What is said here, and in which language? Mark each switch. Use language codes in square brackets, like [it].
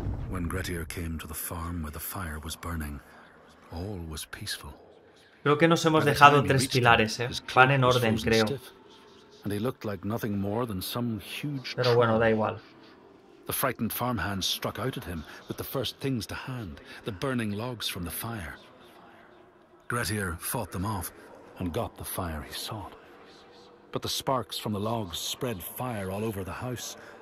[en] When Grettir came to the farm where the fire was burning, all was peaceful. [es] Creo que nos hemos dejado tres pilares, van en orden, creo. [en] And he looked like nothing more than some huge. [es] Pero bueno, da igual. [en] The frightened farmhands struck out at him with the first things to hand, the burning logs from the fire. Grettir fought them off and got the fire he sought. But the sparks from the logs spread fire all over the house.